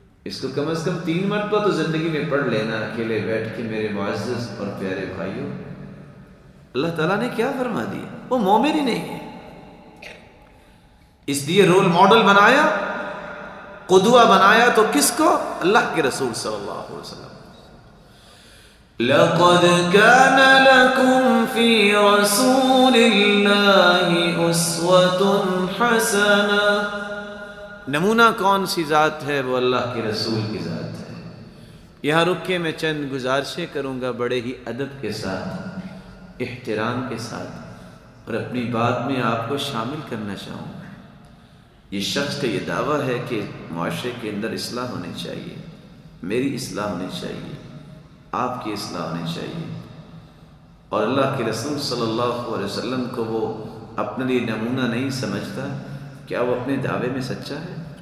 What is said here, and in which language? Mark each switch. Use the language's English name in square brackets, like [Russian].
[Urdu] اس کو کم از کم تین مرتبہ تو زندگی میں پڑھ لینا اکیلے بیٹھ کے. میرے معزز اور پیارے بھائیوں، اللہ تعالیٰ نے کیا فرما دیا، وہ مومن ہی نہیں ہے. اس لیے رول ماڈل بنایا، قدوہ بنایا تو کس کو؟ اللہ کے رسول صلی اللہ علیہ وسلم. [Arabic] لقد كان لكم في رسول الله اسوة حسنة. [Urdu] نمونہ کون سی ذات ہے؟ وہ اللہ کے رسول کی ذات ہے. یہاں رک کے میں چند گزارشیں کروں گا، بڑے ہی ادب کے ساتھ، احترام کے ساتھ، اور اپنی بات میں آپ کو شامل کرنا چاہوں گا. یہ شخص کا یہ دعویٰ ہے کہ معاشرے کے اندر اصلاح ہونی چاہیے، میری اصلاح ہونی چاہیے، آپ کی اصلاح ہونی چاہیے، اور اللہ کے رسول صلی اللہ علیہ وسلم کو وہ اپنے لیے نمونہ نہیں سمجھتا، کیا وہ اپنے دعوے میں سچا ہے؟